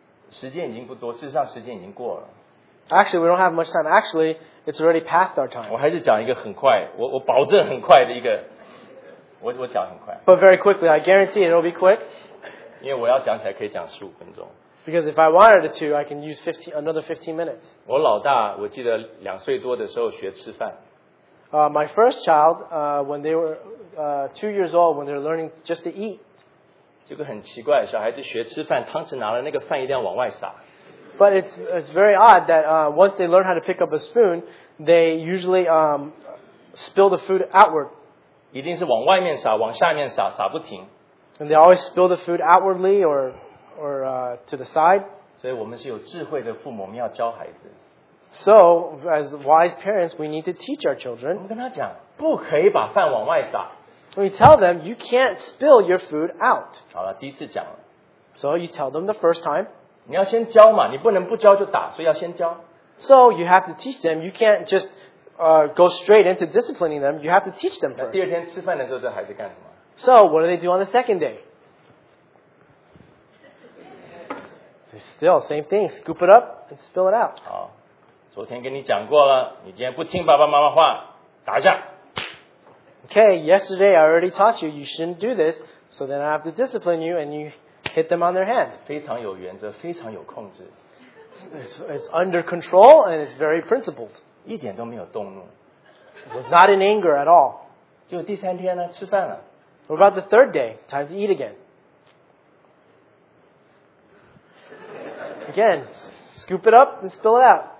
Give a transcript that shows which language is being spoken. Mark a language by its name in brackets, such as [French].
[Chinese] 时间已经不多，事实上时间已经过了。 [English] Actually, we don't have much time. Actually, it's already past our time. [Chinese] 我还是讲一个很快，我保证很快的一个，我讲很快。 [English] But very quickly, I guarantee it'll be quick. [Chinese] 因为我要讲起来可以讲十五分钟。 [English] Because if I wanted to, I can use another 15 minutes. [Chinese] 我老大，我记得两岁多的时候学吃饭。 [English] My first child, when they were two years old, when they're learning just to eat. [Chinese] 这个很奇怪，小孩子学吃饭，汤匙拿了，那个饭一定要往外撒。 [English] But it's very odd that once they learn how to pick up a spoon, they usually spill the food outward. [Chinese] 一定是往外面撒，往下面撒，撒不停。 [English] And they always spill the food outwardly or... to the side. [Chinese] 所以我们是有智慧的父母，我们要教孩子。 [English] So, as wise parents, we need to teach our children. [Chinese] 我们跟他讲，不可以把饭往外撒。 [English] We tell them, you can't spill your food out. [Chinese] 好了，第一次讲了。 [English] So you tell them the first time. [Chinese] 你要先教嘛，你不能不教就打，所以要先教。 [English] So you have to teach them. You can't just go straight into disciplining them. You have to teach them first. [Chinese] 那第二天吃饭的时候，这孩子干什么？ [English] So what do they do on the second day? Still, same thing. Scoop it up and spill it out. [Chinese] 好，昨天跟你讲过了，你今天不听爸爸妈妈话，打架。 [English] Okay, yesterday I already taught you you shouldn't do this. So then I have to discipline you and you hit them on their hand. [Chinese] 非常有原则，非常有控制。 [English] It's under control and it's very principled. [Chinese] 一点都没有动怒。 [English] Was not in anger at all. [Chinese] 就第三天呢，吃饭了。 [English] What about the third day? Time to eat again. Again, scoop it up and spill it out.